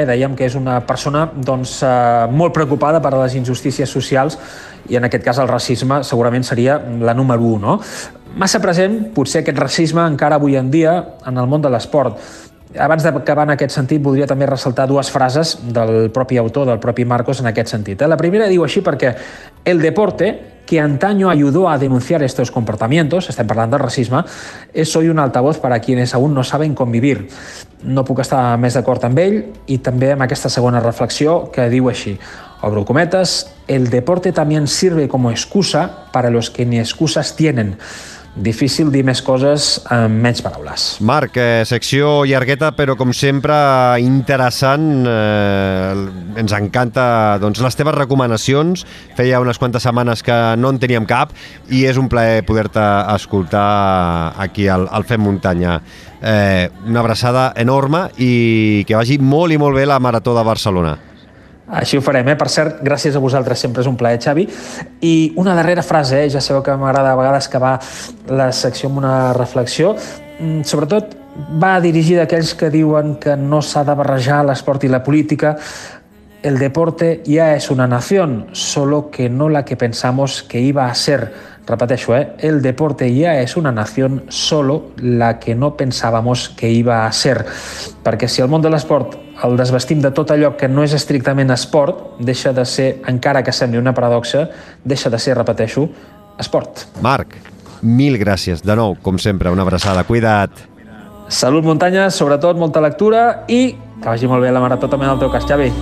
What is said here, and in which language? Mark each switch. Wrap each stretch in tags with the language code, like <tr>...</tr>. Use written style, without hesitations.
<ca>Dèiem que és una persona molt preocupada per les injustícies socials i en aquest cas el racisme segurament seria la número 1. No? Massa present, potser, aquest racisme encara avui en dia en el món de l'esport. Abans d'acabar en aquest sentit, voldria també ressaltar dues frases del propi autor, del propi Marcos, en aquest sentit. La primera diu així perquè</ca> <es>el deporte, que antaño ayudó a denunciar estos comportamientos,</es> <ca>estem parlant del racisme,</ca> <es>es hoy un altavoz para quienes aún no saben convivir.</es> <ca>No puc estar més d'acord amb ell i també amb aquesta segona reflexió que diu així, obro cometes,</ca> <es>el deporte también sirve como excusa para los que ni excusas tienen.</es> <ca>Difícil dir més coses amb menys paraules. Marc, secció llargueta, però com sempre interessant. Ens encanta, doncs, les teves recomanacions. Feia unes quantes setmanes que no en teníem cap i és un plaer poder-te escoltar aquí al Fem Muntanya. Una abraçada enorme i que vagi molt i molt bé la Marató de Barcelona. Així ho farem, Per cert, gràcies a vosaltres, sempre és un plaer, Xavi. I una darrera frase, ja sabeu que m'agrada a vegades acabar la secció amb una reflexió. Sobretot va dirigida a aquells que diuen que no s'ha de barrejar l'esport i la política.</ca> <es>El deporte ya es una nación, solo que no la que pensamos que iba a ser. Repeteixo, El deporte ya es una nación, solo la que no pensábamos que iba a ser.</es> <ca>Perquè si el món de l'esport el desvestim de tot allò que no és estrictament esport, deixa de ser, encara que sembli una paradoxa, deixa de ser, repeteixo, esport. Marc, mil gràcies. De nou, com sempre, una abraçada. Cuida't. Salut, muntanya, sobretot molta lectura i que vagi molt bé la marató també en el teu cas, Xavi.</ca>